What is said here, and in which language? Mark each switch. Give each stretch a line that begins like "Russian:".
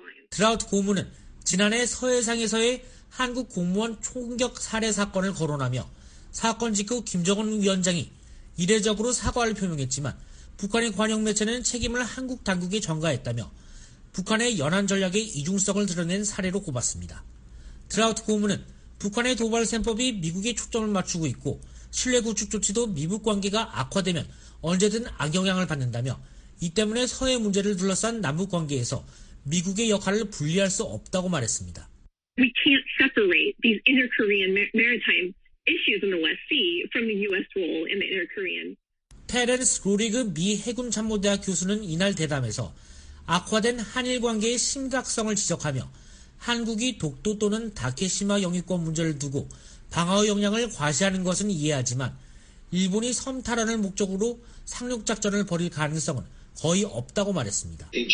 Korean: 드라우트 고문은 지난해 서해상에서의 한국 공무원 총격 살해 사건을 거론하며 사건 직후 김정은 위원장이 이례적으로 사과를 표명했지만 북한의 관영 매체는 책임을 한국 당국에 전가했다며 북한의 연안 전략의 이중성을 드러낸 사례로 꼽았습니다. 드라우트 고문은 북한의 도발 셈법이 미국에 초점을 맞추고 있고 신뢰 구축 조치도 미북 관계가 악화되면 언제든 악영향을 받는다며 이 때문에 서해 문제를 둘러싼 남북 관계에서 미국의 역할을 분리할 수 없다고 말했습니다.
English: We can't separate these inter-Korean maritime issues in the West Sea from the U.S. role in the inter-Korean.
Korean: 테렌스 로리그 미 해군참모대학 교수는 이날 대담에서 악화된 한일 관계의 심각성을 지적하며 한국이 독도 또는 다케시마 영유권 문제를 두고 방어 역량을 과시하는 것은 이해하지만 일본이 섬 탈환을 목적으로 상륙작전을 벌일 가능성은 거의 없다고 말했습니다.